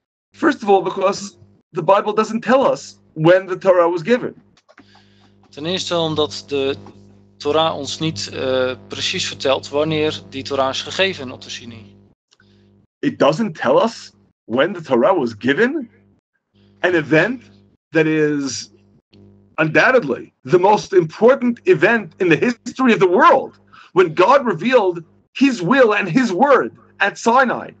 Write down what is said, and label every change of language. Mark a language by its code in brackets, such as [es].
[en] First of all, because the Bible doesn't tell us when the Torah was given. [nl] Ten eerste omdat de Torah ons niet precies vertelt wanneer die Torah is gegeven op de Sinai. [en] It doesn't tell us when the Torah was given. An event that is undoubtedly the most important event in the history of the world. When God revealed his will and his word at Sinai.